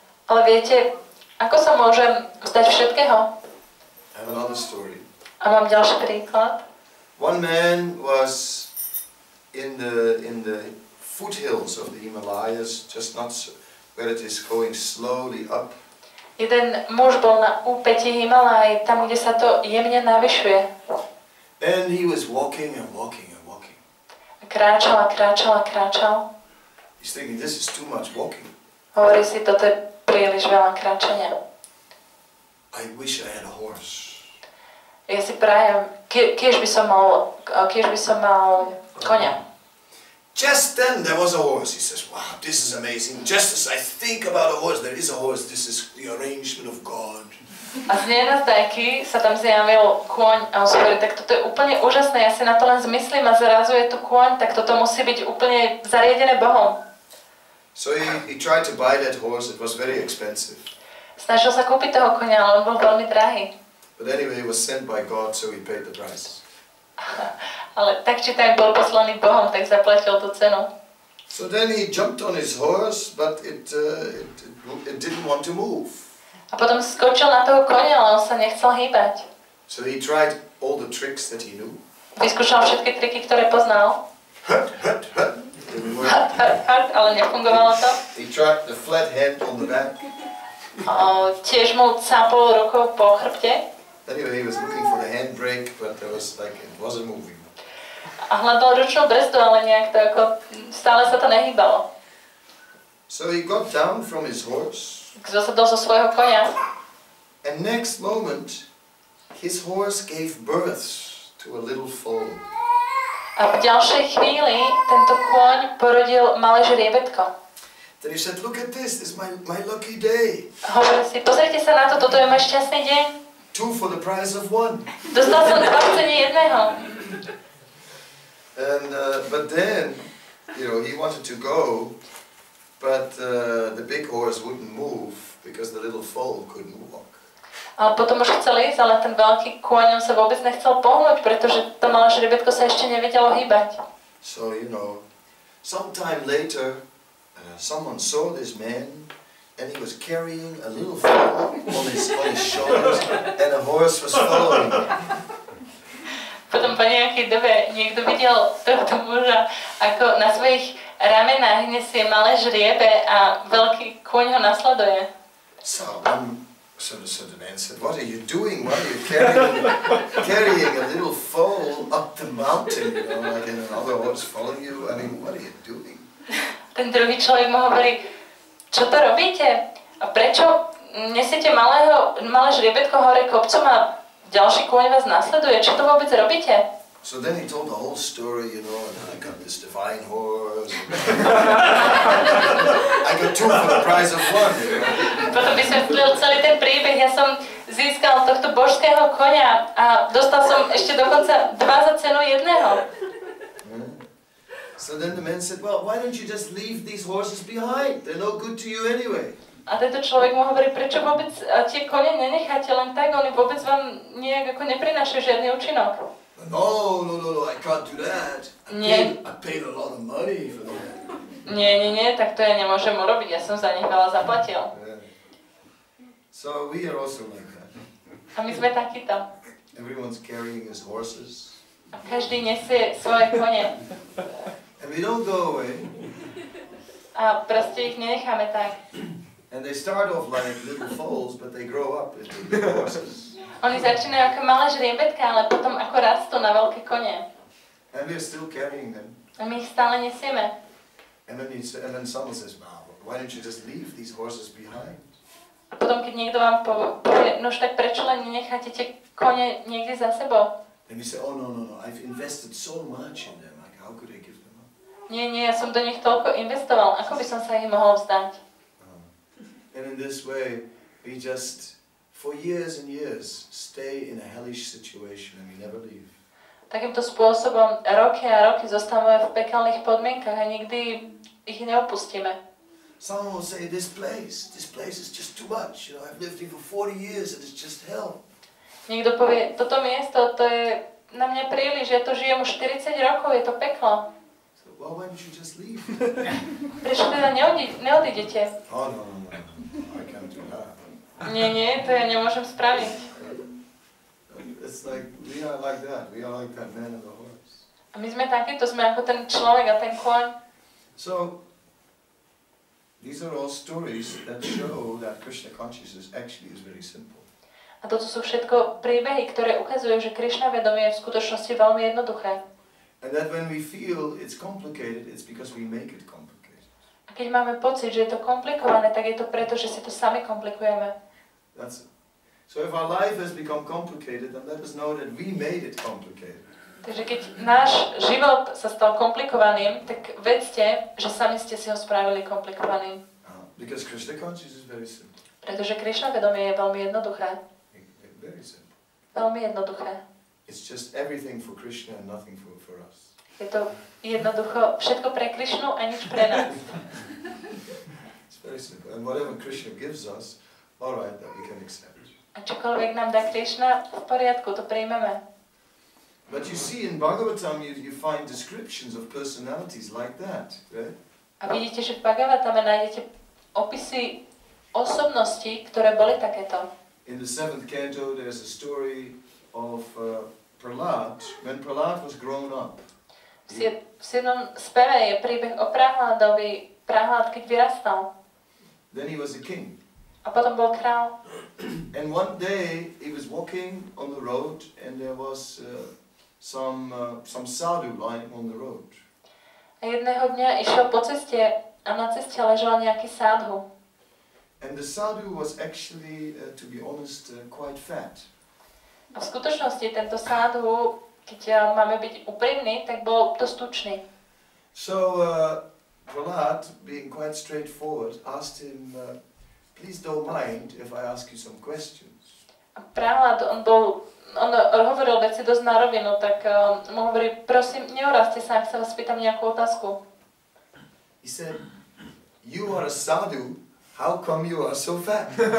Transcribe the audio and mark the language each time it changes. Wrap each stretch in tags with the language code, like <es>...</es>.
<sk>Ale viete, ako sa môžem vzdať všetkého?</sk> <en>I have another story.</en> <sk>A mám ďalší príklad.</sk> <en>One man was in the foothills of the Himalayas, just not so, where it is going slowly up.</en> <sk>Jeden muž bol na úpätí Himalají, tam, kde sa to jemne navyšuje.</sk> <en>And he was walking and walking and walking.</en> <sk>A kráčal a kráčal a kráčal.</sk> <en>He's thinking, this is too much walking.</en> <sk>Hovorí si, toto je príliš veľa kráčania.</sk> <en>I wish I had a horse.</en> <sk>Ja si prajem, kiež by som mal konia.</sk> <en>Just then there was a horse. He says, wow, this is amazing. Just as I think about a horse, there is a horse. This is the arrangement of God.</en> <sk>A z nenazdajky sa tam zjavil kôň a on si hovorí, tak toto je úplne úžasné, ja si na to len zmyslím a zrazu je tu kôň, tak toto musí byť úplne zariadené Bohom.</sk> <en>So he tried to buy that horse, it was very expensive.</en> <sk>Snažil sa kúpiť toho kôňa, ale on bol veľmi drahý.</sk> <en>But anyway, he was sent by God, so he paid the price.</en> <sk>Ale tak či tak bol poslaný Bohom, tak zaplatil tú cenu.</sk> <en>So then he jumped on his horse, but it didn't want to move.</en> <sk>A potom skočil na toho konia, ale on sa nechcel hýbať.</sk> <en>So he tried all the tricks that he knew.</en> <sk>Vyskúšal všetky triky, ktoré poznal. Hut, ale nefungovalo to.</sk> <en>He tried the flat hand on the back.</en> <sk>Tiež mu capol rukou po chrbte.</sk> <en>Anyway, he was looking for the handbrake, but there was like, it wasn't moving.</en> <sk>A hľadal ručnú brzdu, ale nejak to ako, stále sa to nehýbalo.</sk> <en>So he got down from his horse.</en> <sk>Zasadol zo svojho konia.</sk> <en>And next moment, his horse gave birth to a little foal.</en> <sk>A v ďalšej chvíli tento kôň porodil malé žriebetko.</sk> <en>Then he said, look at this, this is my lucky day.</en> <sk>Hovoril si, pozrite sa na to, toto je môj šťastný deň.</sk> <en>Two for the price of one.</en> <sk>Dostal som dva v cene jedného.</sk> <en>And but then, you know, he wanted to go, but the big horse wouldn't move because the little foal couldn't walk.</en> <sk>A potom už chcel ísť, ale ten veľký kôň sa vôbec nechcel pohnúť, pretože to malé žrebetko sa ešte nevedelo hýbať.</sk> <en>So, you know, sometime later, someone saw this man and he was carrying a little foal on his shoulders and a horse was following.</en> <sk>Potom po nejakej dobe niekto videl tohto muža, ako na svojich ramenách nesie malé žriebe a veľký kôň ho nasleduje.</sk> <en>So, so the man said, what are you doing? Why are you carrying a little foal up the mountain? You know, like another horse following you? I mean, what are you doing?</en> <sk>Ten druhý človek mu hovorí, čo to robíte? A prečo nesiete malé žriebetko hore kopcom a ďalší kôň vás nasleduje? Čo to vôbec robíte?</sk> <en>So then he told the whole story, you know, and I got this divine horse. I got two for the price of one.</en> <sk>Potom by som vtlil celý ten príbeh. Ja som získal tohto božského konia a dostal som ešte dokonca dva za cenu jedného.</sk> <en>So then the man said, well, why don't you just leave these horses behind? They're no good to you anyway.</en> <sk>A tento človek mu hovorí, prečo vôbec tie kone nenecháte len tak? Oni vôbec vám nejak ako neprinášajú žiadny účinok.</sk> <en>No, I can't do that. I paid a lot of money for that.</en> <sk>Nie, tak to ja nemôžem urobiť. Ja som za nich veľa zaplatil.</sk> <en>So we are also like that.</en> <sk>A my sme takíto.</sk> <en>Everyone's carrying his horses.</en> <sk>A každý nesie svoje kone.</sk> <en>And we don't go away.</en> <sk>A proste ich nenecháme tak.</sk> <en>And they start off like little foals, but they grow up into big horses.</en> <sk>Oni začínajú ako malé žriebetka, ale potom ako rastú na veľké kone.</sk> <en>And we're still carrying them.</en> <sk>A my ich stále nesieme.</sk> <en>And then someone says, wow, why don't you just leave these horses behind?</en> <sk>A potom keď niekto vám povie, nož tak prečo len necháte tie kone niekde za sebou?</sk> <en>And we say, oh no, I've invested so much in them, like how could I give them up?</en> <sk>Nie, ja som do nich toľko investoval, ako by som sa ich mohol vzdať?</sk> <en>And in this way, we just, for years and years, stay in a hellish situation and we never leave.</en> <sk>Takýmto spôsobom roky a roky zostávame v pekelných podmienkach a nikdy ich neopustíme.</sk> <en>Some will say, this place is just too much. You know, I've lived here for 40 years and it's just hell.</en> <sk>Niekto povie, toto miesto, to je na mňa príliš, ja to žijem už 40 rokov, je to peklo.</sk> <en>Well, why don't you just leave?</en> <sk>Prečo teda neodídete?</sk> <en>Oh, no, I can't do that.</en> <sk>Nie, to ja nemôžem spraviť.</sk> <en>It's like, we are like that. We are like that man and the horse.</en> <sk>A my sme takéto, sme ako ten človek a ten kôň.</sk> <en>So, these are all stories that show that Krishna consciousness actually is very simple.</en> <sk>A toto sú všetko príbehy, ktoré ukazujú, že Krishna vedomie je v skutočnosti veľmi jednoduché.</sk> <en>And that when we feel it's complicated, it's because we make it complicated.</en> <sk>A keď máme pocit, že je to komplikované, tak je to preto, že si to sami komplikujeme.</sk> <en>That's it. So if our life has become complicated, then let us know that we made it complicated.</en> <sk>Takže keď náš život sa stal komplikovaným, tak vedzte, že sami ste si ho spravili komplikovaným.</sk> <en>Because Krishna consciousness is very simple.</en> <sk>Pretože Krishna vedomie je veľmi jednoduché.</sk> <en>Very simple.</en> <sk>Veľmi jednoduché.</sk> <en>It's just everything for Krishna and nothing for us.</en> <sk>Je to jednoducho všetko pre Krishnu a nič pre nás.</sk> <en>It's very simple. And whatever Krishna gives us, all right, that we can accept.</en> <sk>A čokoľvek nám dá Krishna, v poriadku, to prijmeme.</sk> <en>But you see in Bhagavatam you find descriptions of personalities like that, right?</en> <sk>A vidíte, že v Bhagavatame nájdete opisy osobností, ktoré boli takéto.</sk> <en>In the 7th canto there's a story of Prahlad, when Prahlad was grown up.</en> <sk>V 7. speve je príbeh o Prahladovi, Prahlad keď vyrastal.</sk> <en>Then he was a king.</en> <sk>A potom bol král.</sk> <en>And one day he was walking on the road and there was some sadhu lying on the road.</en> <sk>A jedného dňa išiel po ceste a na ceste ležal nejaký sadhu.</sk> <en>And the sadhu was actually, to be honest, quite fat.</en> <sk>A v skutočnosti tento sádhu, keď máme byť úprimní, tak bol to stučný.</sk> <en>So Prahlad, being quite straightforward, asked him, please don't mind if I ask you some questions.</en> <sk>Prehľad, on bol, on hovoril veci dosť na rovinu, tak mu hovorí, prosím, neurazte sa, ak sa vás pýtam nejakú otázku.</sk> <en>He said, you are a sadhu, how come you are so fat?</en>